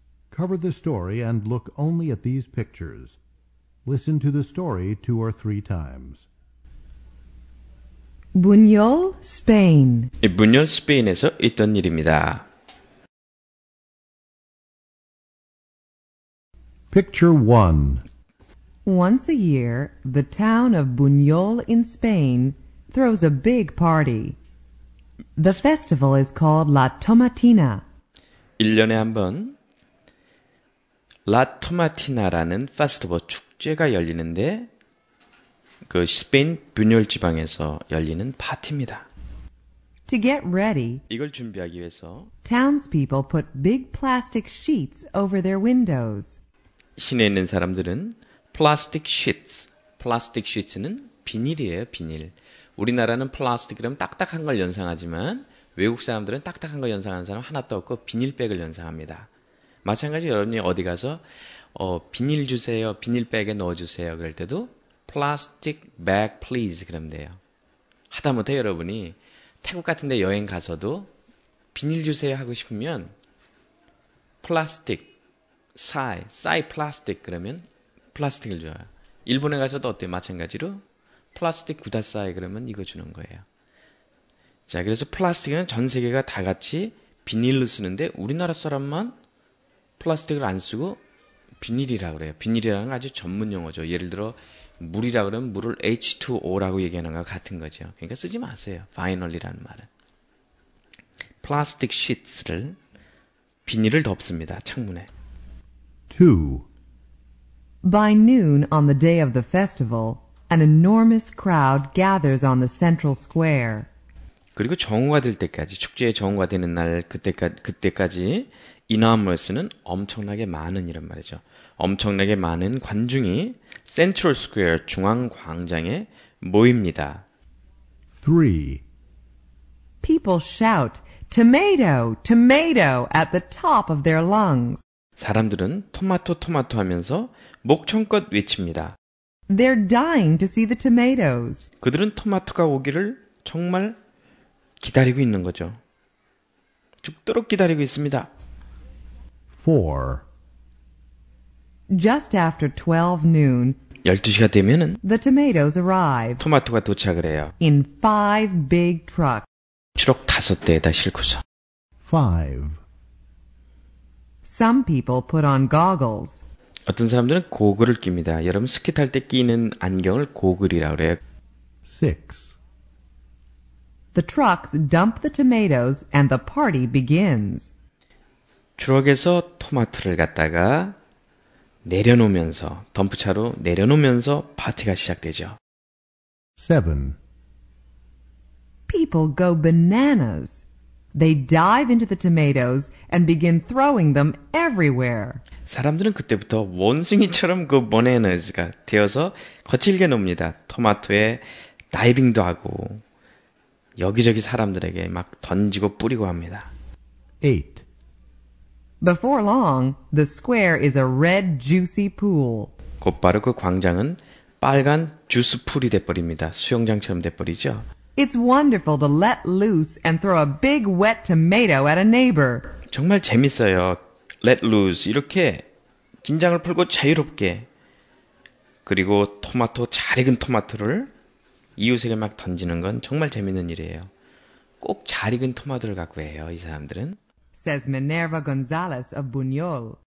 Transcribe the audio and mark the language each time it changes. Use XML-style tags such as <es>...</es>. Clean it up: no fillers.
<en>Cover the story and look only at these pictures. Listen to the story two or three times. Buñol, Spain.</en> <ko>이 Buñol, Spain에서 있던 일입니다.</ko> <en>Picture 1. Once a year, the town of Buñol in Spain throws a big party. The festival is called La Tomatina.</en> <ko>1년에 한 번 La Tomatina라는 페스티벌 축제가 열리는데 그 스페인 분열 지방에서 열리는 파티입니다.</ko> <en>To get ready,</en> <ko>이걸 준비하기 위해서</ko> <en>townspeople put big plastic sheets over their windows.</en> <ko>시내에 있는 사람들은</ko> <en>plastic sheets, plastic sheets</en> <ko>는 비닐이에요, 비닐. 우리나라는 plastic 그럼 딱딱한 걸 연상하지만 외국 사람들은 딱딱한 걸 연상하는 사람 하나도 없고 비닐백을 연상합니다. 마찬가지 여러분이 어디 가서 비닐 주세요, 비닐백에 넣어주세요 그럴 때도</ko> <en>plastic bag please</en> <ko>그러면 돼요. 하다못해 여러분이 태국 같은 데 여행 가서도 비닐 주세요 하고 싶으면 plastic, 싸이, 싸이 plastic 그러면 plastic을 줘요. 일본에 가서도 어때요? 마찬가지로 plastic</ko> <ja>구다싸이</ja> <ko>그러면 이거 주는 거예요. 자, 그래서 플라스틱은 전 세계가 다 같이 비닐로 쓰는데 우리나라 사람만 플라스틱을 안 쓰고 비닐이라고 그래요. 비닐이라는 건 아주 전문 용어죠. 예를 들어 물이라고 그러면 물을 H2O라고 얘기하는 것과 같은 거죠. 그러니까 쓰지 마세요. finally라는 말은. 플라스틱 sheets를 비닐을 덮습니다. 창문에.</ko> <en>2. By noon on the day of the festival, an enormous crowd gathers on the central square.</en> <ko>그리고 정오가 될 때까지, 축제의 정오가 되는 날 그때까지 enormous는 엄청나게 많은 이런 말이죠. 엄청나게 많은 관중이 Central Square, 중앙광장에 모입니다.</ko> <en>3. People shout, tomato, tomato at the top of their lungs.</en> <ko>사람들은 토마토 토마토 하면서 목청껏 외칩니다.</ko> <en>They're dying to see the tomatoes.</en> <ko>그들은 토마토가 오기를 정말 기다리고 있는 거죠. 죽도록 기다리고 있습니다.</ko> <en>4. Just after 12 noon.</en> <ko>12시가 되면은</ko> <en>the tomatoes arrive.</en> <ko>토마토가 도착을 해요.</ko> <en>In 5 big trucks.</en> <ko>트럭 다섯 대에다 실고서.</ko> <en>5. Some people put on goggles.</en> <ko>어떤 사람들은 고글을 낍니다. 여러분 스키 탈 때 끼는 안경을 고글이라고 해요.</ko> <en>6. The trucks dump the tomatoes and the party begins.</en> <ko>트럭에서 토마토를 갖다가 내려놓으면서 덤프차로 내려놓으면서 파티가 시작되죠.</ko> <en>7. People go bananas. They dive into the tomatoes and begin throwing them everywhere.</en> <ko>사람들은 그때부터 원숭이처럼 그 bananas가 되어서 거칠게 놉니다. 토마토에 다이빙도 하고 여기저기 사람들에게 막 던지고 뿌리고 합니다.</ko> <en>8. Before long, the square is a red juicy pool.</en> <ko>곧바로 그 광장은 빨간 주스 풀이 돼버립니다. 수영장처럼 돼버리죠.</ko> <en>It's wonderful to let loose and throw a big wet tomato at a neighbor.</en> <ko>정말 재밌어요.</ko> <en>Let loose</en> <ko>이렇게 긴장을 풀고 자유롭게 그리고 토마토 잘 익은 토마토를 이웃에게 막 던지는 건 정말 재밌는 일이에요. 꼭 잘 익은 토마토를 갖고 해요. 이 사람들은.</ko> <en>Says Minerva Gonzalez of Buñol.</en>